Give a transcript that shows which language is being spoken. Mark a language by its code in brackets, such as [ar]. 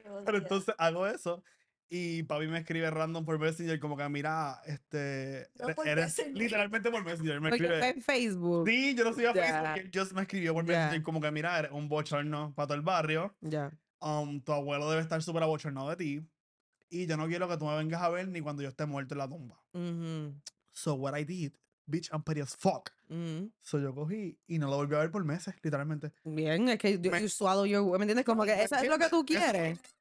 [es] Pero entonces hago eso y papi me escribe random por Messenger como que, mira, eres literalmente por Messenger. Me escribe en Facebook. Sí, yo no soy a Facebook. Just me escribió por Messenger como que, mira, eres un bochorno para todo el barrio. Tu abuelo debe estar súper abochornado de ti y yo no quiero que tú me vengas a ver ni cuando yo esté muerto en la tumba. [en] So what I did, bitch, I'm petty as fuck. [es] So yo cogí y no lo volví a ver por meses, literalmente. Bien, es que [en] you swallow your... [es] ¿Me entiendes? Como que eso es lo que tú quieres.